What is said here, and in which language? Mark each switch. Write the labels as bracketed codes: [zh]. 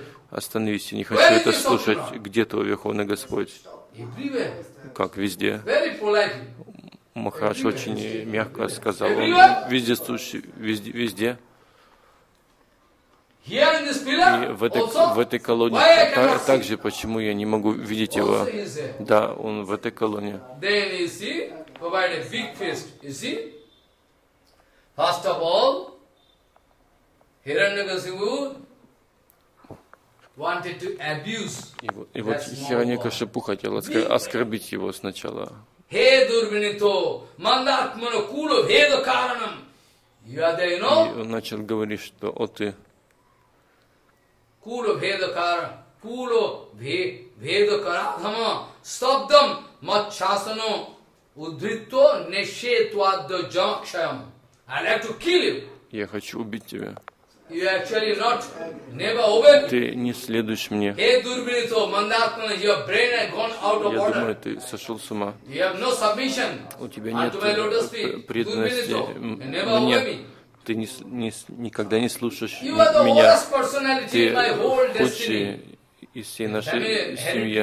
[ru] Остановись, я не хочу это слушать. Где твой Верховный Господь? Как везде. Махарадж очень мягко сказал, он везде. И в этой колонии также, почему я не могу видеть его? Да, он в этой колонии. [en] Then you see, provide a big feast, you see. First of all, Hiranyakashipu wanted to abuse. [ru] И вот Хираньякашипу хотел оскорбить его сначала. [sa] Хе дурвинито, мандатмано куло, хе до каранам. [ru] И он начал говорить, что о ты. [sa] Куло, хе до кара, куло, хе до карадхама, сабдам, матчасано, удритто, нешетуаддо, джакшаям. [en] I like to kill you. [ru] Я хочу убить тебя. [en] You actually not, never obey. [ru] Ты не следуешь мне. [en] Hey, Durbinito, Mandatman, your brain has gone out of [ru] я [en] order. [ru] Думаю, ты сошел с ума. [en] You have no submission. [ru] У тебя нет преданности мне. Ты никогда не слушаешь меня. [en] You are the [ru] меня. [en] Worst personality in my whole destiny. [ru] Ты худший из всей нашей семьи.